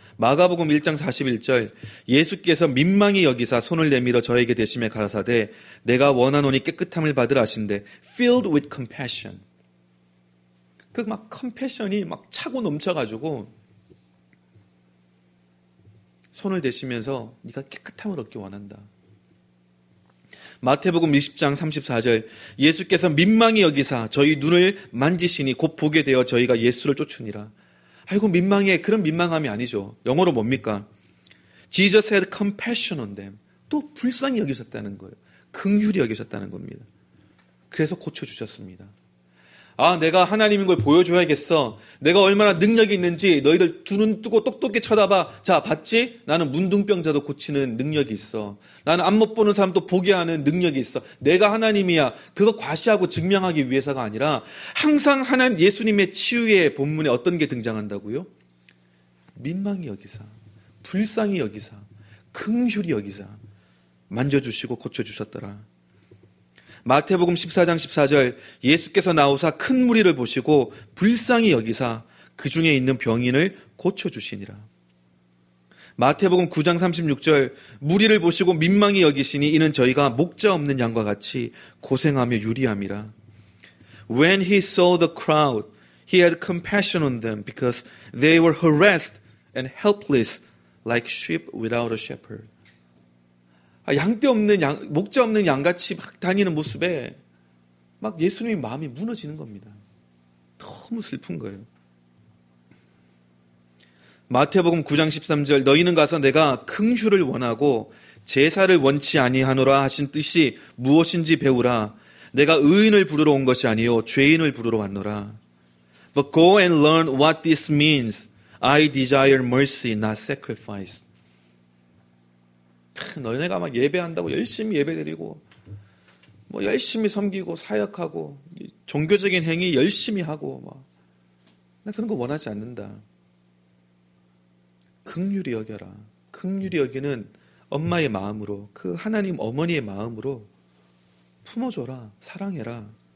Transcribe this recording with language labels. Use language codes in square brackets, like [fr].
[ko] 마가복음 1장 41절 예수께서 민망히 여기사 손을 내밀어 저에게 대심에 가라사대 내가 원하노니 깨끗함을 받으라 하신대 [en] filled with compassion [ko] 그 막 컴패션이 막 차고 넘쳐가지고 손을 대시면서 네가 깨끗함을 얻기 원한다. 마태복음 20장 34절 예수께서 민망히 여기사 저희 눈을 만지시니 곧 보게 되어 저희가 예수를 쫓으니라. 아이고 민망해. 그런 민망함이 아니죠. 영어로 뭡니까? [en] Jesus had compassion on them. [ko] 또 불쌍히 여기셨다는 거예요. 긍휼히 여기셨다는 겁니다. 그래서 고쳐주셨습니다. 아, 내가 하나님인 걸 보여줘야겠어. 내가 얼마나 능력이 있는지 너희들 두 눈 뜨고 똑똑히 쳐다봐. 자, 봤지? 나는 문둥병자도 고치는 능력이 있어. 나는 안 못 보는 사람도 보게 하는 능력이 있어. 내가 하나님이야. 그거 과시하고 증명하기 위해서가 아니라 항상 하나님 예수님의 치유의 본문에 어떤 게 등장한다고요? 민망히 여기사, 불쌍히 여기사, 긍휼히 여기사, 만져주시고 고쳐주셨더라. 마태복음 14장 14절 예수께서 나오사 큰 무리를 보시고 불쌍히 여기사 그 중에 있는 병인을 고쳐주시니라. 마태복음 9장 36절 무리를 보시고 민망히 여기시니 이는 저희가 목자 없는 양과 같이 고생하며 유리함이라. [en] When he saw the crowd, he had compassion on them because they were harassed and helpless like sheep without a shepherd. [ko] 양떼 없는 양, 목자 없는 양같이 막 다니는 모습에 막 예수님의 마음이 무너지는 겁니다. 너무 슬픈 거예요. 마태복음 9장 13절 너희는 가서 내가 긍휼을 원하고 제사를 원치 아니하노라 하신 뜻이 무엇인지 배우라. 내가 의인을 부르러 온 것이 아니오 죄인을 부르러 왔노라. [en] But go and learn what this means. I desire mercy, not sacrifice. [ko] 너네가 막 예배한다고 열심히 예배드리고 뭐 열심히 섬기고 사역하고 종교적인 행위 열심히 하고 막 나 그런 거 원하지 않는다. 긍휼히 여겨라. 긍휼히 여기는 엄마의 마음으로 그 하나님 어머니의 마음으로 품어줘라. 사랑해라.